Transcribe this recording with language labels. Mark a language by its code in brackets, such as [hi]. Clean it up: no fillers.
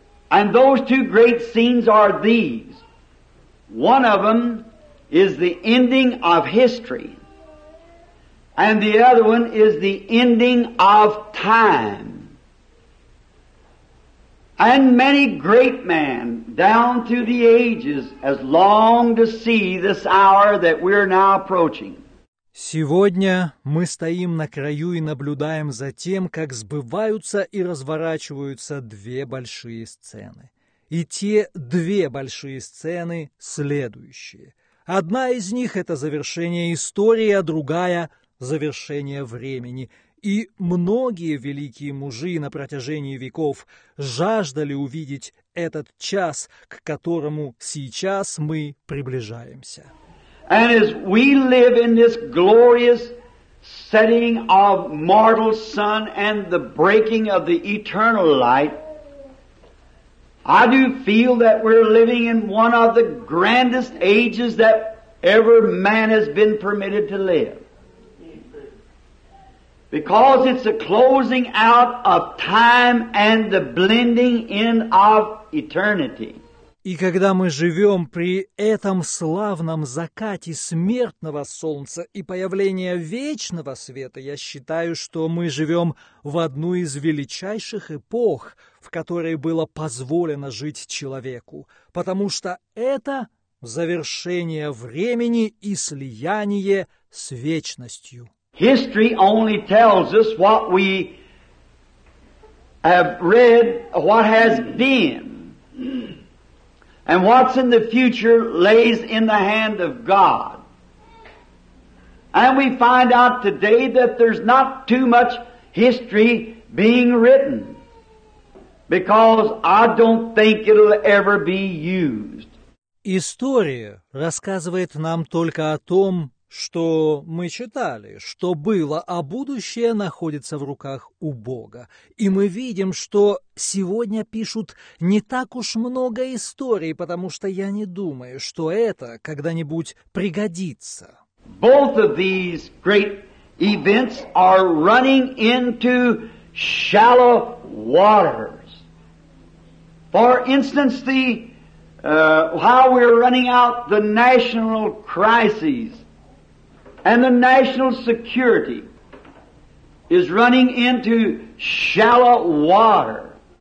[en] And those two great scenes are these. One of them is the ending of history, and the other one is the ending of time. And many great men down through the ages has longed to see this hour that we're now approaching. [ru] Сегодня мы стоим на краю и наблюдаем за тем, как сбываются и разворачиваются две большие сцены. И те две большие сцены следующие. Одна из них – это завершение истории, а другая – завершение времени. И многие великие мужи на протяжении веков жаждали увидеть этот час, к которому сейчас мы приближаемся. [en] And as we live in this glorious setting of mortal sun and the breaking of the eternal light, I do feel that we're living in one of the grandest ages that ever man has been permitted to live. Because it's a closing out of time and the blending in of eternity. [ru] И когда мы живем при этом славном закате смертного солнца и появлении вечного света, я считаю, что мы живем в одну из величайших эпох, в которой было позволено жить человеку, потому что это завершение времени и слияние с вечностью. [en] History only tells us what we have read, what has been. And what's in the future lays in the hand of God. And we find out today that there's not too much history being written, because I don't think it'll ever be used. [ru] История рассказывает нам только о том, что мы читали, что было, а будущее находится в руках у Бога. И мы видим, что сегодня пишут не так уж много историй, потому что я не думаю, что это когда-нибудь пригодится. [en] Both of these great events are running into shallow waters. For instance, the while we're running out the national crises and the national security is running into shallow water.